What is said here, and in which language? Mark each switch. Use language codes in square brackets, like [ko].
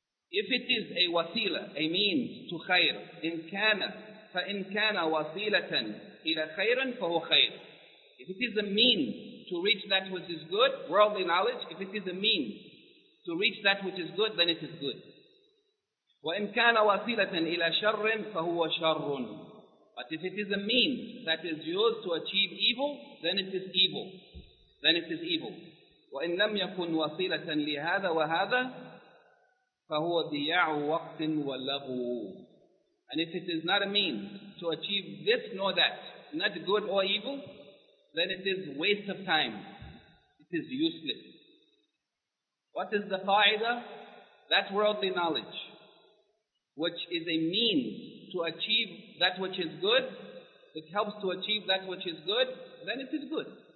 [en] If it is a wasila, a means to khayr, [ar] إِنْ كَانَ فَإِنْ كَانَ وَسِيلَةً إلى خير فهو خير. [en] If it is a mean to reach that which is good, worldly knowledge, if it is a mean to reach that which is good, then it is good. [ar] وإن كان وسيلة إلى شر فهو شر. [en] But if it is a mean that is used to achieve evil, then it is evil. Then it is evil. [ar] وإن لم يكن وسيلة لهذا وهذا فهو ضياع وقت ولغو. [en] And if it is not a mean to achieve this nor that, not good or evil, then it is waste of time. It is useless. What is the fa'idah? That worldly knowledge, which is a means to achieve that which is good, it helps to achieve that which is good, then it is good.